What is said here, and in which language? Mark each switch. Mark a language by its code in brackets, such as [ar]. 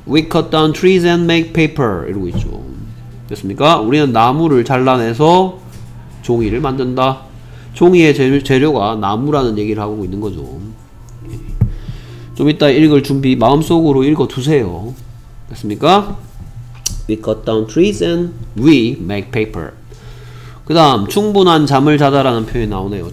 [en] We cut down trees and make paper. [ko] 이러고 있죠. 됐습니까? 우리는 나무를 잘라내서 종이를 만든다. 종이의 재료가 나무라는 얘기를 하고 있는 거죠. 좀 이따 읽을 준비 마음속으로 읽어두세요. 됐습니까? [en] We cut down trees and we make paper. [ko] 그 다음 충분한 잠을 자다라는 표현이 나오네요.